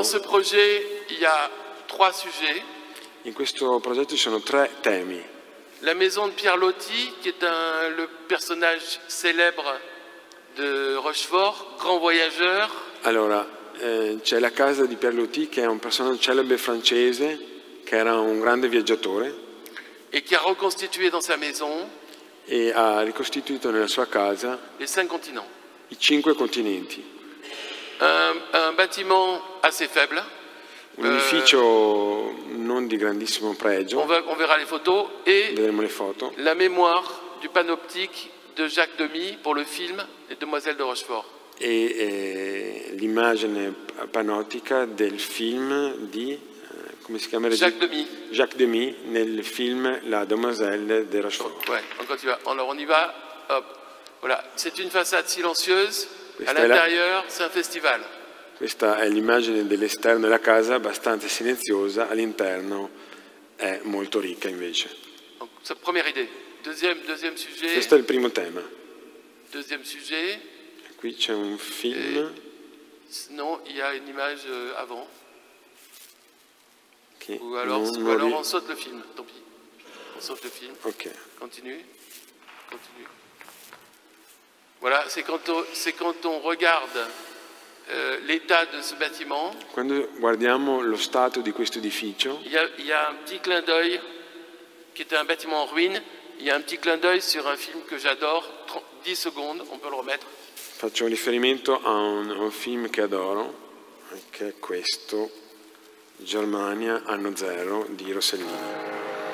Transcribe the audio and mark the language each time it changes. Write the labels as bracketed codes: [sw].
[fr] Dans ce projet, il y a trois sujets. [it] In questo progetto ci sono tre temi. [fr] La maison de Pierre Loti, qui est le personnage célèbre de Rochefort, grand voyageur. [it] Allora, c'è la casa di Pierre Loti, che è un personaggio célèbre francese, che era un grande viaggiatore. [fr] Et qui a reconstitué dans sa maison. [it] E ha ricostituito nella sua casa. [fr] Les cinq continents. [it] I cinque continenti. [fr] Un bâtiment assez faible. [it] Un edificio non di grandissimo pregio. [fr] On verra les photos et [it] vedremo le foto. [fr] La mémoire du panoptique de Jacques Demy pour le film Les Demoiselles de Rochefort. [it] E l'immagine panottica del film di come si chiama? [fr] Jacques Demy. [it] Jacques Demy nel film La Demoiselle de Rochefort. [fr] Ouais, on continue. Alors on y va. Hop. Voilà, c'est une façade silencieuse. À l'intérieur, c'est un festival. [it] Questa è l'immagine dell'esterno della casa, abbastanza silenziosa. All'interno è molto ricca, invece. [fr] Première idée. Deuxième sujet. [it] Questo è il primo tema. [fr] deuxième sujet. [it] Qui c'è un film. [fr] Non, il y a une image avant. Okay. Ou alors, alors on saute le film, tant pis. On saute le film. Ok. Continue. Continue. Voilà, c'est quand on regarde l'état de ce bâtiment. [it] Quando guardiamo lo stato di questo edificio. [fr] Il y a un petit clin d'œil qui était un bâtiment en ruine. Il y a un petit clin d'œil sur un film que j'adore. 10 secondes, on peut le remettre. [it] Faccio riferimento a un film che adoro, che è questo, Germania anno zero di Rossellini.